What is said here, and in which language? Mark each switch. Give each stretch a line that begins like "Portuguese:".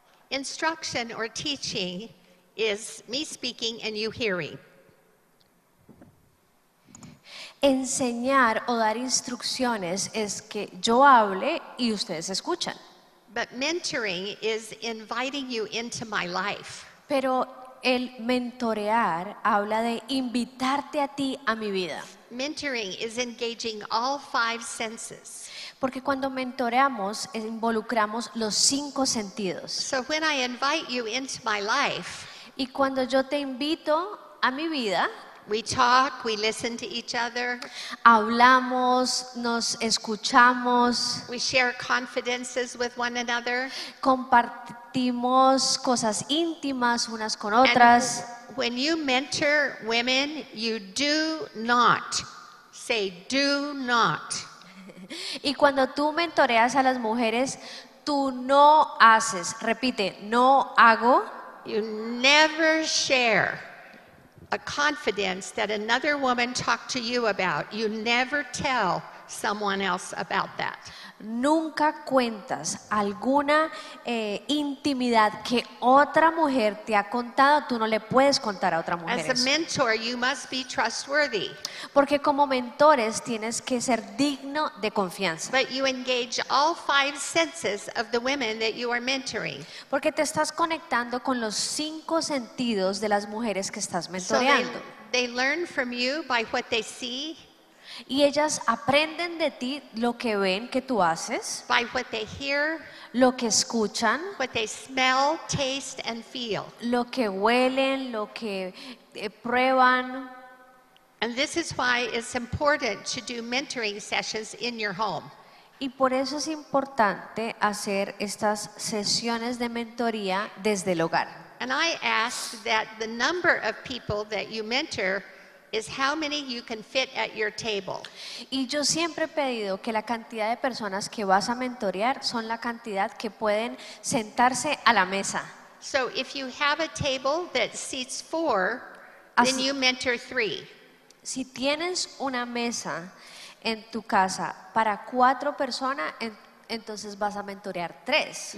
English: Instruction or teaching is me speaking and you hearing.
Spanish: Enseñar o dar instrucciones es que yo hable y ustedes escuchan.
English: But mentoring is inviting you into my life.
Spanish: Pero el mentorear habla de invitarte a ti a mi vida.
English: Mentoring is engaging all five senses.
Spanish: Porque cuando mentoreamos, involucramos los cinco sentidos.
English: So when I invite you into my life,
Spanish: y cuando yo te invito a mi vida,
English: we talk, we listen to each other,
Spanish: hablamos, nos escuchamos,
English: we share confidences with one another,
Spanish: compartimos cosas íntimas unas con otras.
English: When you mentor women, you do not say do not.
Spanish: Y cuando tú mentoreas a las mujeres, tú no haces, repite, no hago.
English: You never share a confidence that another woman talked to you about. You never tell someone else about that.
Spanish: Nunca cuentas alguna intimidad que otra mujer te ha contado, tú no le puedes contar a otra mujer.
English: As a mentor, you must be trustworthy.
Spanish: Porque como mentores tienes que ser digno de confianza.
English: But you engage all five senses of the women that you are mentoring.
Spanish: Porque te estás conectando con los cinco sentidos de las mujeres que estás mentoreando.
English: So they learn from you by what they see.
Spanish: Y ellas aprenden de ti lo que ven que tú haces,
English: by what they hear,
Spanish: lo que escuchan,
English: what they smell, taste, and feel,
Spanish: lo que huelen, lo que prueban.
English: And this is why it's important to do mentoring sessions in your home.
Spanish: Y por eso es importante hacer estas sesiones de mentoría desde el hogar.
English: And I ask that the number of people that you mentor is how many you can fit at your table.
Spanish: Y yo siempre he pedido que la cantidad de personas que vas a mentorear son la cantidad que pueden sentarse a la mesa.
English: So if you have a table that seats four,
Spanish: así,
English: then you mentor three.
Spanish: Si tienes una mesa en tu casa para cuatro personas, entonces vas a mentorear tres.